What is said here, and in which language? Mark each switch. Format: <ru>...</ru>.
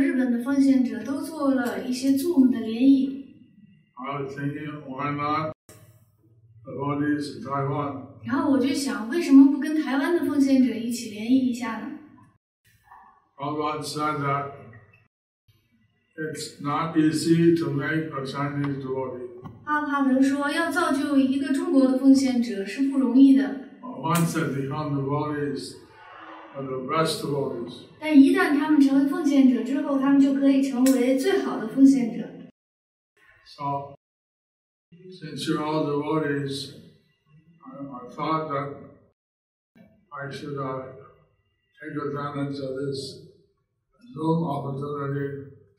<zh>我跟中国的奉献者还有日本的奉献者都做了一些 Zoom 的联谊。</zh> <en>I was thinking, why not devotees in Taiwan?</en> <zh>然后我就想，为什么不跟台湾的奉献者一起联谊一下呢？</zh> <en>Prabhupada said that it's not easy to make a Chinese devotee.</en> <zh>巴帕文说，要造就一个中国的奉献者是不容易的。</zh> <en>Once they become devotees, are the best devotees.</en> <zh>但一旦他们成为奉献者之后，他们就可以成为最好的奉献者。</zh> <en>So, since you're all devotees, I thought that I should take advantage of this Zoom opportunity.</en>